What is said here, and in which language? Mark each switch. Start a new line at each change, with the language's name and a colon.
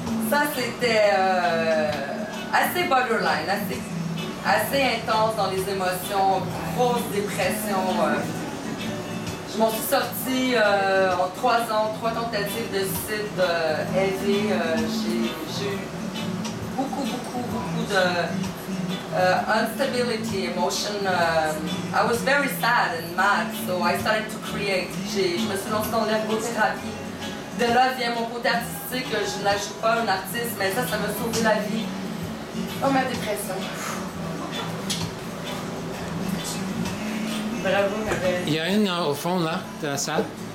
French: Ça, c'était assez borderline, assez intense dans les émotions, grosse dépression. Je m'en suis sortie en trois ans, trois tentatives de suicide aidées. J'ai eu beaucoup de
English: instability, emotion. I was very sad and mad, so I started to create.
French: Je me suis lancée dans l'ergothérapie. De là vient mon côté artistique. Je ne suis pas un artiste, mais ça m'a sauvé la vie. Oh, ma dépression. Il y a une au fond là, de la salle.